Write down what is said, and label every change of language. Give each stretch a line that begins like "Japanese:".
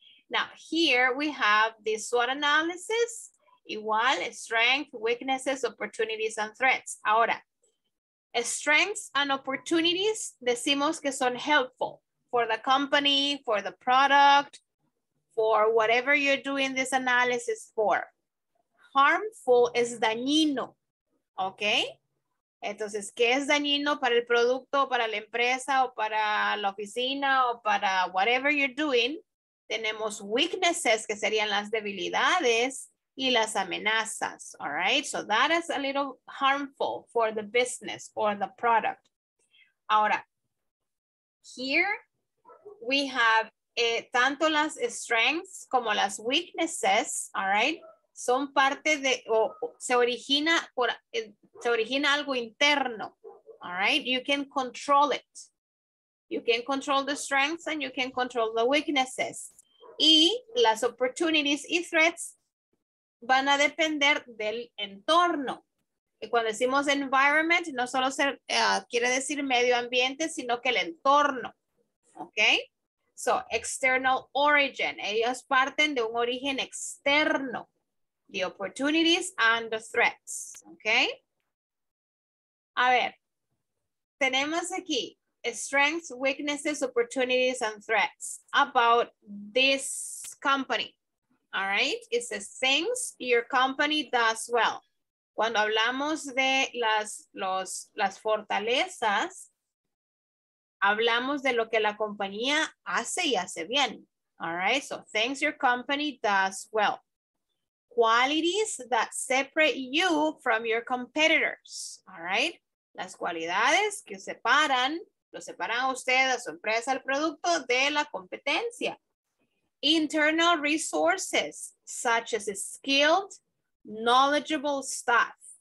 English: Now, here we have the SWOT analysis, igual, strength, weaknesses, opportunities, and threats. Ahora, strengths and opportunities,
Spanish: decimos que son
English: helpful for the company, for the product, for whatever you're doing this analysis for.
Spanish: Harmful es dañino, okay? Entonces, ¿qué es dañino para el producto, para la empresa, o para la oficina, o para
English: whatever you're doing?
Spanish: Tenemos weaknesses, que serían las debilidades y las amenazas, all right?
English: So that is a little harmful for the business or the product. Ahora, here we have tanto las strengths como las weaknesses, all right?
Spanish: Son parte de, se origina algo interno, all right?
English: You can control it. You can control the strengths and you can control the weaknesses.
Spanish: Y las opportunities y threats van a depender del entorno. Cuando decimos environment, no solo se, quiere decir medio ambiente, sino que el entorno. Okay?
English: So, external origin.
Spanish: Ellos parten de un origen externo.
English: The opportunities and the threats. Okay? A ver.
Spanish: Tenemos aquí
English: strengths, weaknesses, opportunities, and threats about this company. All right? It says things your company does well.
Spanish: Cuando hablamos de las fortalezas, hablamos de lo que la compañía hace y hace bien.
English: All right, so things your company does well. Qualities that separate you from your competitors.
Spanish: All right, las cualidades que separan, lo separan a usted, a su empresa, al producto de la competencia.
English: Internal resources, such as skilled, knowledgeable staff.